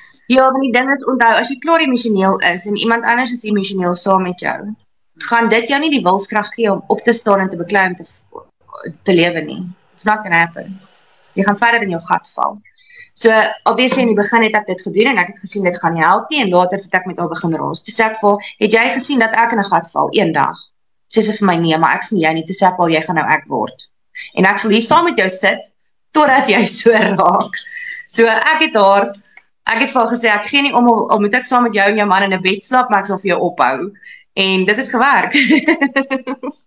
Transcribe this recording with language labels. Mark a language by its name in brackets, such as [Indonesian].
[Afrikaans] Ja, maar die ding is, onthou, as jy klaar emosioneel is, en iemand anders is emosioneel saam met jou, gaan dit jou nie die wilskrag gee om op te staan en te beklei om te lewe nie. [English] It's not gonna happen. [Afrikaans] Jy gaan verder in jou gat val. So, obviously, in die begin het ek dit gedoen, en ek het gesien dit gaan nie help nie, en later het ek met al begin raas. Toe sê ek vir, het jy gesien dat ek in een gat val, een dag? Sê sy vir my nie, maar ek sê jy nie, toe sê ek al, jy gaan nou ek word. En ek sal hier saam met jou sit, totdat jy so raak. So ek het vir haar gesê, ek gee nie om, al moet ek saam met jou en jou man in 'n bed slaap, maar ek sal vir jou ophou. En dit het gewerk.